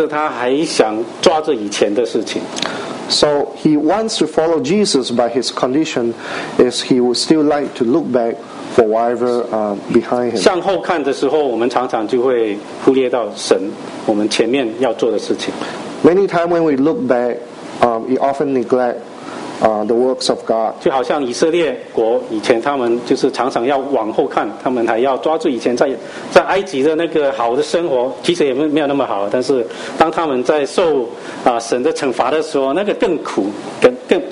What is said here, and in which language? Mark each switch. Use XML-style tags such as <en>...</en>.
<zh>他要跟随耶稣，但是他的有条件，就是他还想抓着以前的事情。</zh> <en>So he wants to follow Jesus, but his condition is he would still like to look back for whatever behind him.</en> <zh>向后看的时候，我们常常就会忽略到神，我们前面要做的事情。</zh> <en>Many times when we look back, we often neglect the works of God.</en> <zh>就好像以色列国以前他们就是常常要往后看，他们还要抓住以前在埃及的那个好的生活，其实也没有那么好。但是当他们在受神的惩罚的时候，那个更苦，更</zh>